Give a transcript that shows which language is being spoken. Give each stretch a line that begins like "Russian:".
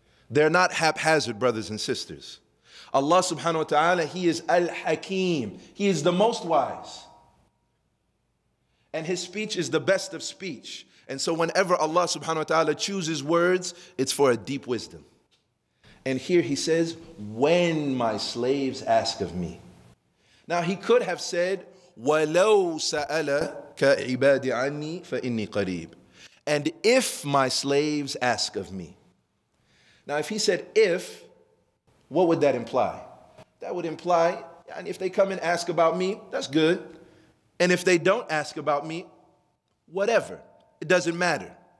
English: They're not haphazard, brothers and sisters. Allah subhanahu wa ta'ala, he is al-hakim. He is the most wise. And his speech is the best of speech. And so whenever Allah subhanahu wa ta'ala chooses words, it's for a deep wisdom. And here he says, when my slaves ask of me. Now he could have said,
Arabic: وَلَوْ سَأَلَكَ عِبَادِ عَنِّي فَإِنِّي قَرِيبٌ.
English: And if my slaves ask of me. Now, if he said, if, what would that imply? That would imply, and if they come and ask about me, that's good. And if they don't ask about me, whatever. It doesn't matter.